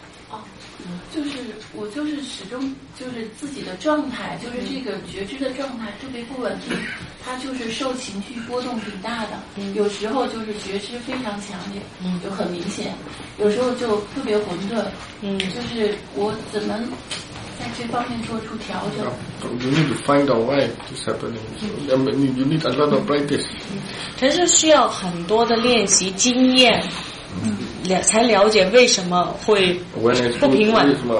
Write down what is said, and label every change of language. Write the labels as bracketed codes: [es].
[zh] 哦，就是我就是始终就是自己的状态，就是这个觉知的状态特别不稳定，它就是受情绪波动挺大的。有时候就是觉知非常强烈，就很明显；有时候就特别混沌。就是我怎么在这方面做出调整 [en] ？You need to find out why this happening. You need a lot of practice. [zh] 其实需要很多的练习经验。才了解为什么会不平稳。